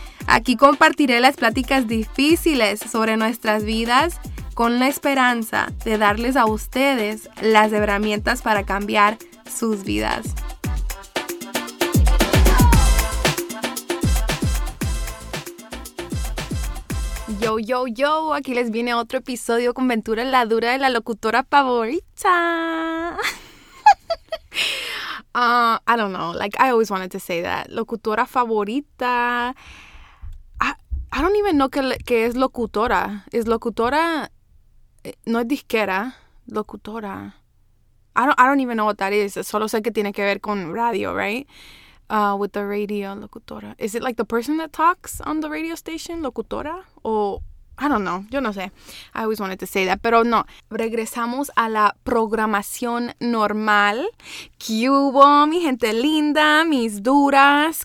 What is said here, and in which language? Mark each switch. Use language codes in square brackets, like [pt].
[es] Aquí compartiré las pláticas difíciles sobre nuestras vidas con la esperanza de darles a ustedes las herramientas para cambiar sus vidas. Yo, yo, yo, aquí les viene otro episodio con Ventura en la Dura de la locutora favorita. [en] I don't know, like, I always wanted to say that. [es] Locutora favorita. [en] I don't even know [es] que es locutora. Es locutora, no es disquera, locutora. [en] I don't even know what that is. [es] Solo sé que tiene que ver con radio, [en] right? With the radio, locutora. Is it like the person that talks on the radio station, locutora? O, I don't know, [es] yo no sé. [en] I always wanted to say that, [es] pero no. Regresamos a la programación normal. ¿Qué hubo, mi gente linda, mis duras?